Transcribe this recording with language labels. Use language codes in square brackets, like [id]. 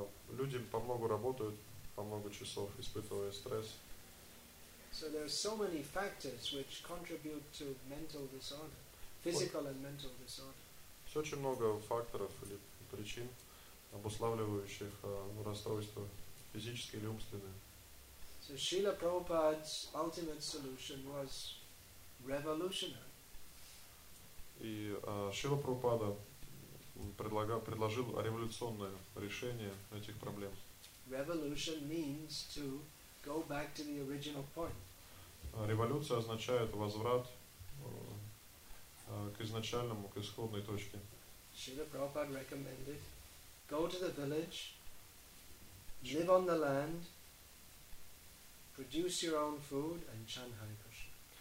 [ru] Люди по много работают, по много часов, испытывая стресс. [en] So there are so many factors which contribute to mental disorder, physical and mental disorder. [ru] Все очень много факторов или причин, обуславливающих расстройства физические или умственные. [en] So Srila Prabhupada's ultimate solution was revolutionary. [ru] И Шрила Прабхупада предложил революционное решение этих проблем. [en] Revolution means to go back to the original point. [ru] Революция означает возврат к изначальному, к исходной точке. [en] Srila Prabhupada recommended go to the village, live on the land, produce your own food and chant Hare Krishna.